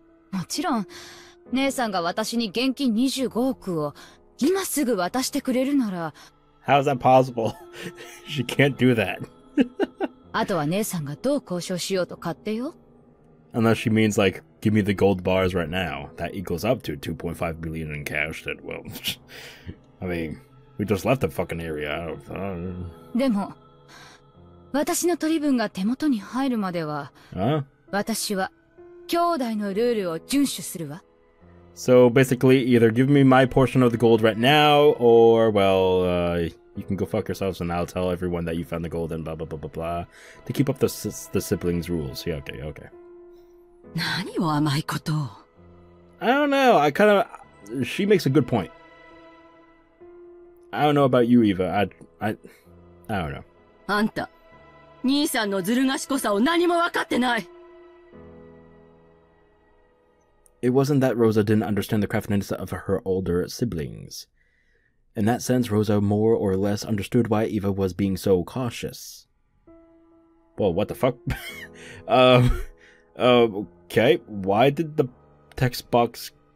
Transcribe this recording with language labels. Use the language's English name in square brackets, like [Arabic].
[Japanese] もちろん、姉さんが私に現金25億を今すぐ渡してくれるなら、 [English] How's that possible? She can't do that. [Japanese] あとは姉さんがどう交渉しようと勝手よ。 [English] Unless she means like, give me the gold bars right now. That equals up to 2.5 billion in cash that, well, I mean, we just left the fucking area. I don't know. [Japanese] でも、私の取り分が手元に入るまでは、私は兄弟のルールを遵守するわ。 [English] So basically, either give me my portion of the gold right now, or, well, you can go fuck yourselves and I'll tell everyone that you found the gold and blah blah blah blah blah. To keep up the siblings' rules. Yeah, okay, okay. [Japanese] 何を甘いこと? [English] I don't know. I kind of... She makes a good point. I don't know about you, Eva. I don't know. [Japanese] あんた、兄さんのずる賢さを何も分かってない。 [English] It wasn't that Rosa didn't understand the craftiness of her older siblings. In that sense, Rosa more or less understood why Eva was being so cautious. Well, what the fuck? okay, why did the text box...